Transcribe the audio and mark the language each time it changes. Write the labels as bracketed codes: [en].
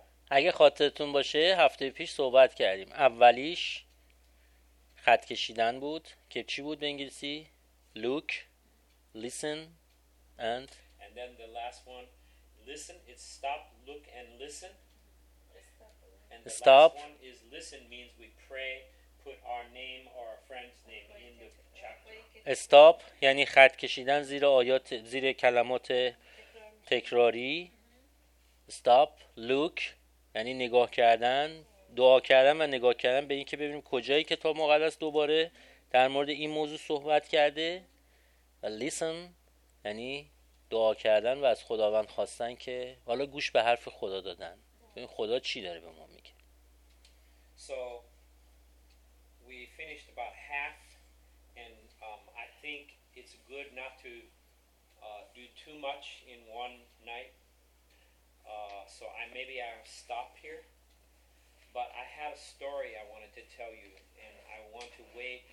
[fa] اگه خاطرتون باشه هفته پیش صحبت کردیم، اولیش خط کشیدن بود که چی بود به انگلیسی؟ [en] look, listen and then the last one listen, it's stop, look and listen and the stop. Last one is listen means we pray, put our name or our friend's name in the chapter. [fa] Stop یعنی خط کشیدن زیر آیات، زیر کلمات تکراری. Stop, look یعنی نگاه کردن، دعا کردن و نگاه کردن به این که ببینیم کجای کتاب مقدس دوباره در مورد این موضوع صحبت کرده، و listen یعنی دعا کردن و از خداوند خواستن که حالا گوش به حرف خدا دادن، ببین خدا چی داره به ما میگه. [en] So we finished about half and I think it's good not to do too much in one night. So I'll stop here, but I had a story I wanted to tell you, and I want to wait.